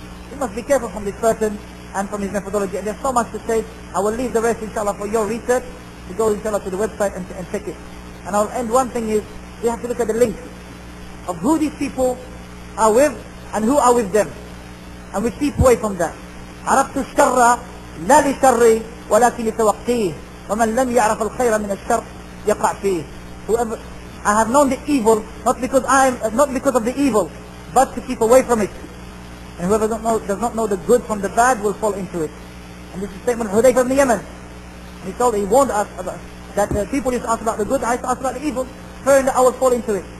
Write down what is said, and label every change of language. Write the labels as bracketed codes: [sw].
[en] He must be careful from this person and from his methodology, and there's so much to say. I will leave the rest inshallah for your research. You go inshallah to the website and check it. And I'll end. One thing is, we have to look at the link of who these people are with and who are with them. And we keep away from that. [ar] عرفت الشر لا لشري ولكن لتوقيه. ومن لم يعرف الخير من الشر يقع فيه. [en] Whoever, I have known the evil, not because of the evil, but to keep away from it. And whoever does not know the good from the bad will fall into it. And this is a statement of Hudayfa from Yemen. He told that he warned us about, that people used to ask about the good, I used to ask about the evil, fearing that I will fall into it.